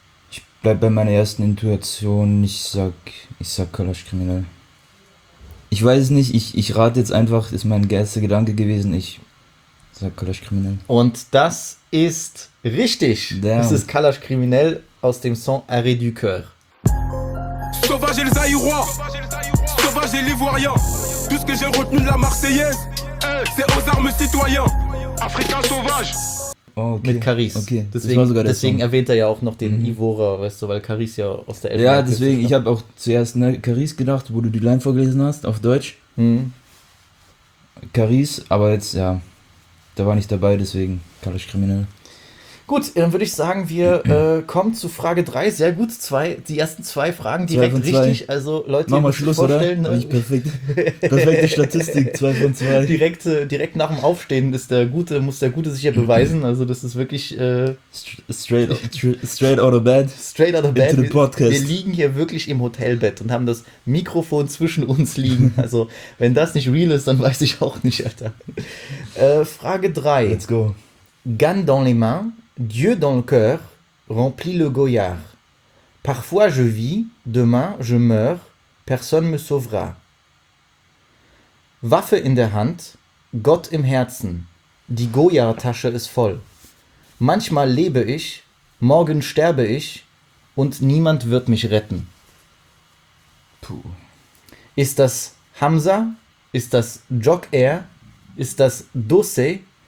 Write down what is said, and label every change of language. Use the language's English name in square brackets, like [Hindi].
[German] Ich bleib bei meiner ersten Intuition. Ich sag Kalasch kriminell. Ich weiß es nicht. Ich rate jetzt einfach. Ist mein erster Gedanke gewesen. Ich sag Kalasch kriminell. Und das ist richtig. Damn. Das ist Kalasch kriminell aus dem Song Arrêt du Coeur. [French] Sauvage et les Aïrois. Sauvage et l'Ivoirien. Tout ce que j'ai retenu de la Marseillaise. C'est aux armes citoyens. Afrika Sauvage! [German] Okay. Mit Caris. Okay. Deswegen erwähnt er ja auch noch den Ivorer, weißt du, weil Caris ja aus der Elfenbeinküste. Ja, deswegen, ich habe auch zuerst Caris gedacht, wo du die Line vorgelesen hast, auf Deutsch. Caris, aber jetzt, ja, da war nicht dabei, deswegen Kalasch kriminell. Gut, dann würde ich sagen, wir kommen zu Frage 3. Sehr gut, die ersten zwei Fragen direkt zwei richtig. Zwei. Also Leute, machen wir Schluss, vorstellen, oder? Nicht perfekt. Perfekte Statistik, 2 von 2. Direkt nach dem Aufstehen muss der Gute sich ja beweisen. Also das ist wirklich... [English] Straight out of bed. Into the podcast. [German] Wir liegen hier wirklich im Hotelbett und haben das Mikrofon zwischen uns liegen. Also wenn das nicht real ist, dann weiß ich auch nicht, Alter. Frage 3. [English] Let's go. [French] Gun dans les mains, Dieu dans le cœur, remplit le goyard. Parfois je vis, demain je meurs, personne me sauvera. [German] Waffe in der Hand, Gott im Herzen, die Goyard-Tasche ist voll. Manchmal lebe ich, morgen sterbe ich und niemand wird mich retten. Puh. Ist das Hamza, ist das Jock Air, ist das Dosse?